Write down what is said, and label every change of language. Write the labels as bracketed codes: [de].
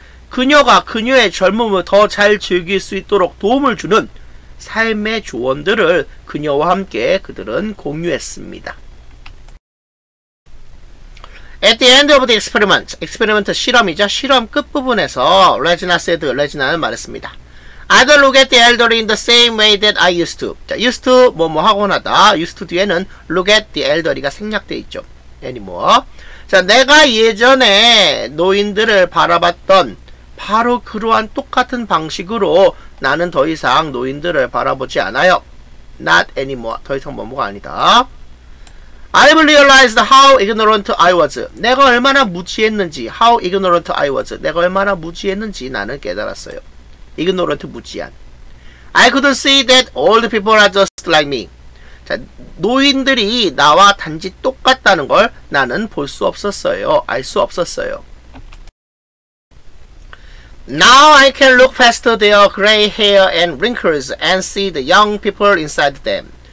[ko] 그녀가 그녀의 젊음을 더 잘 즐길 수 있도록 도움을 주는 삶의 조언들을 그녀와 함께 그들은 공유했습니다. [en] At the end of the experiment, [ko] 엑스페리먼트 실험이죠. 실험 끝부분에서 레지나 [en] said, [ko] 레지나는 말했습니다. [en] I don't look at the elderly in the same way that I used to. [ko] 자, used to, 뭐뭐 하곤 하다. used to 뒤에는 [en] look at the elderly [ko] 가 생략되어 있죠. anymore. 자, 내가 예전에 노인들을 바라봤던 바로 그러한 똑같은 방식으로 나는 더 이상 노인들을 바라보지 않아요. [en] Not anymore. [ko] 더 이상 뭐뭐가 아니다. [en] I've realized how ignorant I was. [ko] 내가 얼마나 무지했는지. [en] How ignorant I was. [ko] 내가 얼마나 무지했는지 나는 깨달았어요. Ignorant, 무지한. [en] I couldn't see that old people are just like me. [ko] 자, 노인들이 나와 단지 똑같다는 걸 나는 볼 수 없었어요. 알 수 없었어요. [en] Now I can look past their gray hair and wrinkles and see the young people inside them.